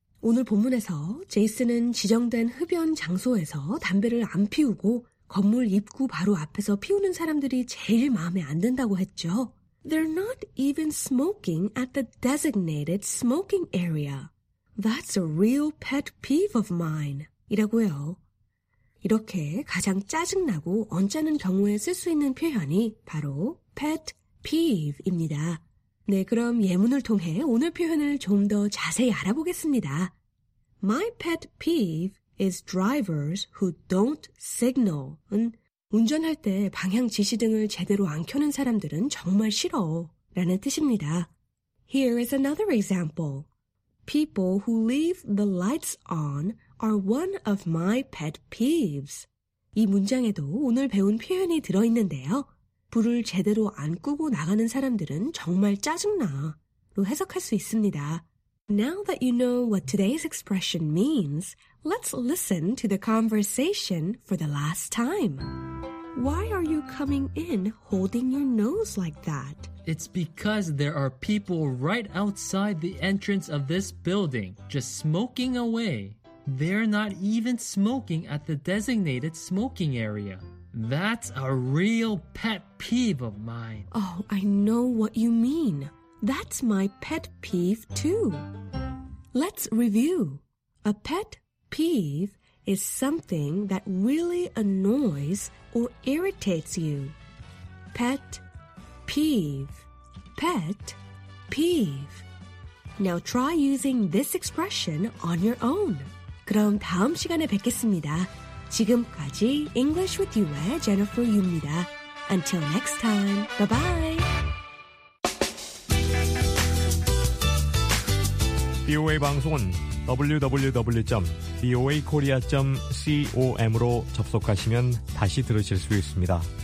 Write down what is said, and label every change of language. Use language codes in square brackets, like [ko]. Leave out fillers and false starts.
[ko] 오늘 본문에서 제이슨은 지정된 흡연 장소에서 담배를 안 피우고 건물 입구 바로 앞에서 피우는 사람들이 제일 마음에 안 든다고 했죠. [en] They're not even smoking at the designated smoking area. That's a real pet peeve of mine. [ko] 이라고요. 이렇게 가장 짜증나고 언짢은 경우에 쓸 수 있는 표현이 바로 pet peeve입니다. 네, 그럼 예문을 통해 오늘 표현을 좀 더 자세히 알아보겠습니다. [en] My pet peeve is drivers who don't signal은 [ko] 운전할 때 방향 지시 등을 제대로 안 켜는 사람들은 정말 싫어 라는 뜻입니다. [en] Here is another example. People who leave the lights on are one of my pet peeves. [ko] 이 문장에도 오늘 배운 표현이 들어있는데요. 불을 제대로 안 끄고 나가는 사람들은 정말 짜증나로 해석할 수 있습니다. [en] Now that you know what today's expression means, let's listen to the conversation for the last time. Why are you coming in holding your nose like that? It's because there are people right outside the entrance of this building, just smoking away. They're not even smoking at the designated smoking area. That's a real pet peeve of mine. Oh, I know what you mean. That's my pet peeve too. Let's review. A pet peeve is something that really annoys or irritates you. Pet peeve. Pet peeve. Now try using this expression on your own. [ko] 그럼 다음 시간에 뵙겠습니다. 지금까지 English with You의 Jennifer Yu입니다. [en] Until next time, bye-bye. [ko] VOA 방송은 www.voakorea.com으로 접속하시면 다시 들으실 수 있습니다.